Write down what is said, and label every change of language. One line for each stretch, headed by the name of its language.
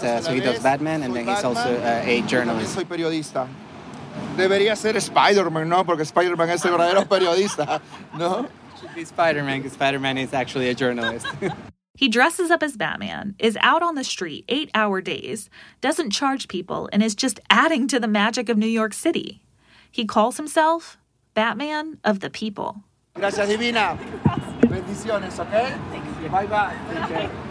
English: So he does Batman, and then he's also a journalist.
Spanish: Soy periodista. Debería ser Spider-Man, ¿no? Porque Spider-Man es el verdadero periodista, ¿no?
English: Should be Spider-Man, because Spider-Man is actually a journalist. He dresses up as Batman, is out on the street 8-hour days, doesn't charge people, and is just adding to the magic of New York City. He calls himself Batman of the People.
Spanish: Gracias, Divina. Bendiciones, okay?